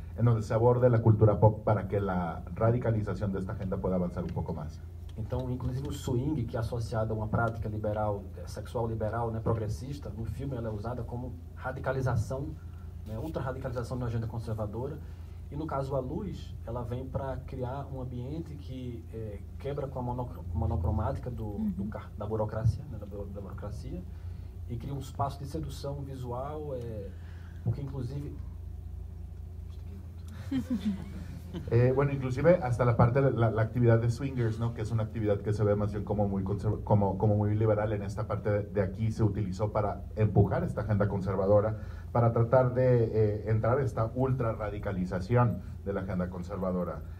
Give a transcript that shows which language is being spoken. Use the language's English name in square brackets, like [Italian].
[Spanish] en donde se aborde la cultura pop para que la radicalización de esta agenda pueda avanzar un poco más. [Portuguese] Então, inclusive o swing, que é associado a uma prática liberal, sexual liberal, né, progressista, no filme ela é usada como radicalização, né, ultra-radicalização de uma agenda conservadora. E no caso A Luz, ela vem para criar um ambiente que quebra com a monocromática da burocracia, né, da burocracia, e cria um espaço de sedução visual, porque inclusive... [Spanish] Bueno, inclusive hasta la parte de la actividad de swingers, ¿no? Que es una actividad que se ve más bien como muy como muy liberal en esta parte de aquí, se utilizó para empujar esta agenda conservadora, para tratar de entrar esta ultra radicalización de la agenda conservadora.